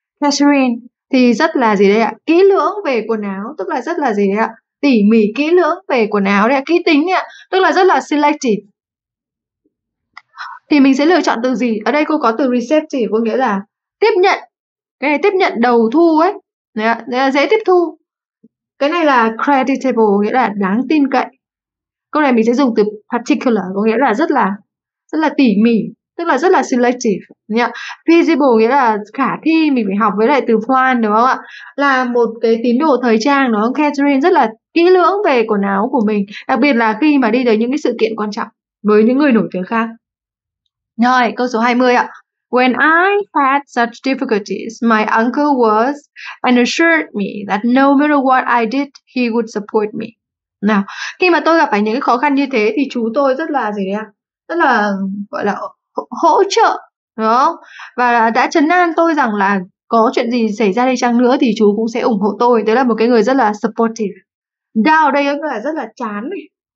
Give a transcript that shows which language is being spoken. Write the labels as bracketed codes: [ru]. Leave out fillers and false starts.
[vi] Catherine thì rất là gì đây ạ? Kỹ lưỡng về quần áo, tức là rất là gì đấy ạ? Tỉ mỉ kỹ lưỡng về quần áo đấy ạ, kỹ tính đấy ạ, tức là rất là selective. Thì mình sẽ lựa chọn từ gì? Ở đây cô có từ receptive, có nghĩa là tiếp nhận. Cái này tiếp nhận đầu thu ấy, đấy là dễ tiếp thu. Cái này là creditable, nghĩa là đáng tin cậy. Câu này mình sẽ dùng từ particular, có nghĩa là rất là tỉ mỉ, tức là rất là selective. Feasible nghĩa là khả thi, mình phải học với lại từ plan đúng không ạ? Là một cái tín đồ thời trang đúng không? Catherine rất là kỹ lưỡng về quần áo của mình, đặc biệt là khi mà đi tới những cái sự kiện quan trọng với những người nổi tiếng khác. Rồi, câu số 20 ạ. [en] When I had such difficulties, my uncle was and assured me that no matter what I did, he would support me. [vi] Nào, khi mà tôi gặp phải những khó khăn như thế thì chú tôi rất là gì đấy ạ? Rất là gọi là hỗ trợ, đúng không? Và đã trấn an tôi rằng là có chuyện gì xảy ra đi chăng nữa thì chú cũng sẽ ủng hộ tôi. Đấy là một cái người rất là supportive. Down đây cũng là rất là chán này.